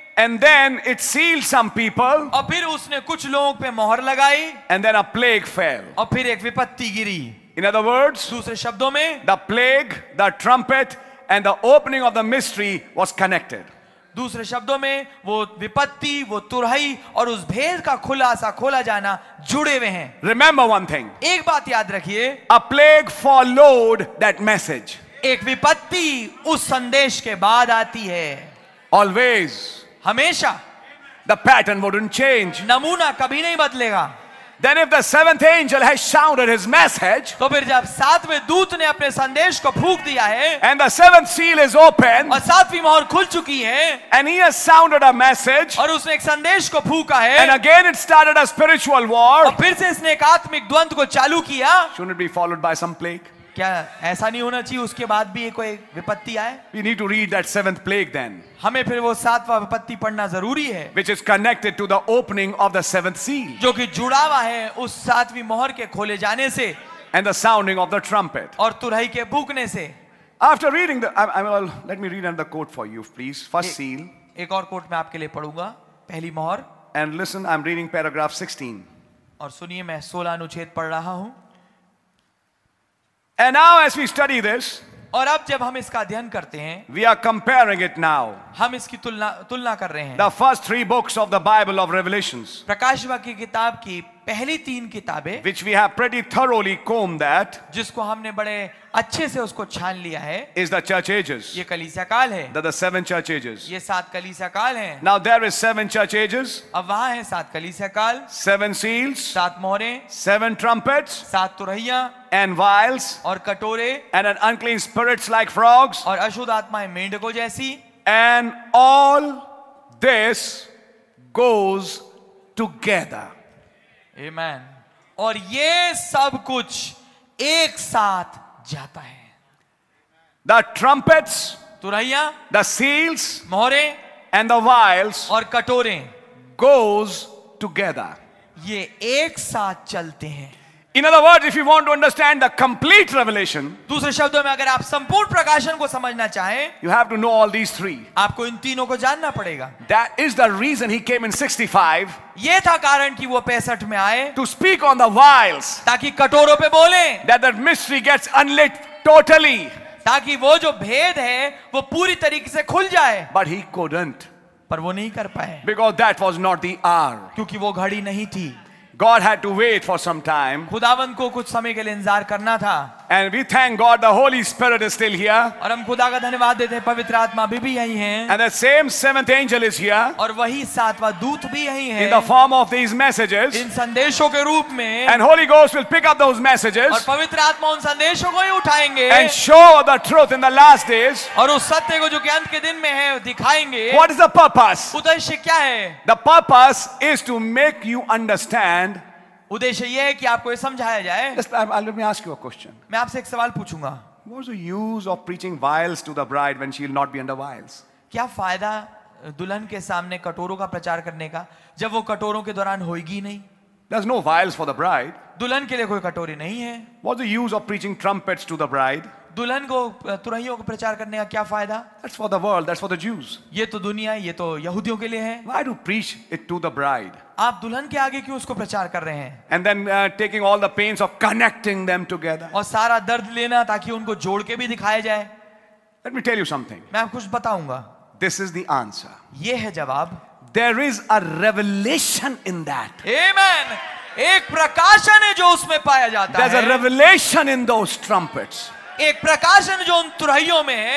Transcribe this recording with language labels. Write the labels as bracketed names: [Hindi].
[English] And then it sealed some people. [Hindi] और फिर उसने कुछ लोगों पे मोहर लगाई. [English] And then a plague fell. [Hindi] और फिर एक विपत्ति गिरी. [English] In other words, [Hindi] दूसरे शब्दों में, [English] the plague, the trumpet, and the opening of the mystery was connected. [Hindi] दूसरे शब्दों में वो विपत्ति, वो तुरही और उस भेद का खुलासा, खोला जाना जुड़े हुए हैं. [English] Remember one thing. [Hindi] एक बात याद रखिए. [English] A plague followed that message. [Hindi] एक विपत्ति उस संदेश के बाद आती है. [English] Always. [Hindi] हमेशा. [English] The pattern wouldn't change. [Hindi] नमूना कभी नहीं बदलेगा. [English] Then if the seventh angel has shouted his message, [Hindi] तो फिर जब सातवें दूत ने अपने संदेश को फूंक दिया है, [English] and the seventh seal is open, [Hindi] और सातवीं मोहर खुल चुकी है, [English] and he has sounded a message, [Hindi] और उसने एक संदेश को फूंका है, [English] and again it started a spiritual war, [Hindi] और फिर से इसने एक आत्मिक द्वंद को चालू किया, [English] shouldn't it be followed by some plague? [Hindi] क्या ऐसा नहीं होना चाहिए उसके बाद भी कोई विपत्ति आए? [English] We need to read that seventh plague then. [Hindi] हमें फिर वो सातवां विपत्ति पढ़ना जरूरी है. [English] Which is connected to the opening of the seventh seal. [Hindi] जो कि जुड़ा हुआ है उस सातवीं मोहर के खोले जाने से. [English] And the sounding of the trumpet. [Hindi] और तुरही के फूंकने से. [English] After reading the, let me read another quote for you, please. First seal. [Hindi] एक और कोट मैं आपके लिए पढ़ूंगा. पहली मोहर. [English] And listen, I'm reading paragraph 16. [Hindi] और सुनिए मैं 16 अनुच्छेद पढ़ रहा हूं. [English] And now as we study this, [Hindi] और अब जब हम इसका अध्ययन करते हैं, [English] we are comparing it now, [Hindi] हम इसकी तुलना कर रहे हैं, [English] the first three books of the Bible of Revelations, [Hindi] प्रकाशवाक्य किताब की पहली तीन किताबें [English] which we have pretty thoroughly combed that [Hindi] जिसको हमने बड़े अच्छे से उसको छान लिया है [English] is the church ages [Hindi] ये कलीसिया काल है [English] the seven church ages [Hindi] ये सात कलीसिया काल है [English] now there is seven church ages [Hindi] अब वहां है सात कलीसिया काल [English] seven seals [Hindi] सात मोहरे [English] seven trumpets [Hindi] सात तुरहिया [English] and vials [Hindi] और कटोरे [English] and an unclean spirits like frogs [Hindi] और अशुद्ध आत्माएं मेंढकों जैसी [English] and all this goes together Amen. [Hindi] और ये सब कुछ एक साथ जाता है [English] The trumpets, [Hindi] तुरहिया, [English] the seals, [Hindi] मोहरे, [English] and the vials, [Hindi] और कटोरे, [English] goes together. [Hindi] ये एक साथ चलते हैं [English] In other words, if you want to understand the complete revelation, [Hindi] दूसरे शब्दों में अगर आप संपूर्ण प्रकाशन को समझना चाहें, [English] you have to know all these three. [Hindi] आपको इन तीनों को जानना पड़ेगा. [English] That is the reason he came in 65. [Hindi] ये था कारण कि वो 65 में आए. [English] To speak on the vials. [Hindi] ताकि कटोरों पे बोले. [English] That mystery gets unlit totally. [Hindi] ताकि वो जो भेद है, वो पूरी तरीके से खुल जाए. [English] But he couldn't. [Hindi] पर वो नहीं कर पाए. [English] Because that was not the hour. [Hindi] क्योंकि वो घड़ी नहीं थी. [English] God had to wait for some time. [Hindi] खुदावंत को कुछ समय के लिए इंतजार करना था. [English] And we thank God the Holy Spirit is still here. [Hindi] और हम खुदा का धन्यवाद देते हैं पवित्र आत्मा अभी भी यहीं हैं. [English] And the same seventh angel is here. [Hindi] और वही सातवां दूत भी यहीं हैं. [English] In the form of these messages. [Hindi] इन संदेशों के रूप में. [English] And Holy Ghost will pick up those messages. [Hindi] और पवित्र आत्मा उन संदेशों को ही उठाएंगे. [English] And show the truth in the last days. [Hindi] और उस सत्य को जो कि अंत के दिन में है दिखाएंगे. [English] What is the purpose? [Hindi] उद्देश्य क्या है? [English] The purpose is to make you understand. [Hindi] उद्देश्य यह है कि आपको यह समझाया जाए मैं आपसे एक सवाल पूछूंगा [English] What's the use of preaching vials to the bride when she will not be under vials? [Hindi] क्या फायदा दुल्हन के सामने कटोरों का प्रचार करने का जब वो कटोरों के दौरान होगी नहीं [English] There's no vials for the bride. [Hindi] दुल्हन के लिए कोई कटोरी नहीं है [English] What's the use of preaching trumpets to the bride? [Hindi] दुल्हन को तुरहियों को प्रचार करने का क्या फायदा [English] That's for the world, that's for the Jews. [Hindi] ये तो दुनिया ये तो यहूदियों के लिए है [English] Why do preach it to the bride? [Hindi] आप दुल्हन के आगे क्यों उसको प्रचार कर रहे हैं [English] And then, taking all the pains of connecting them together. [Hindi] और सारा दर्द लेना ताकि उनको जोड़ के भी दिखाया जाए [English] Let me tell you something. [Hindi] मैं आपको कुछ बताऊंगा [English] This is the answer. [Hindi] ये है जवाब [English] There is a revelation in that. Amen. [Hindi] एक प्रकाशन है जो उसमें पाया जाता [English] There's [Hindi] है [English] a revelation in those trumpets. [Hindi] एक प्रकाशन जो उन तुरहियों में है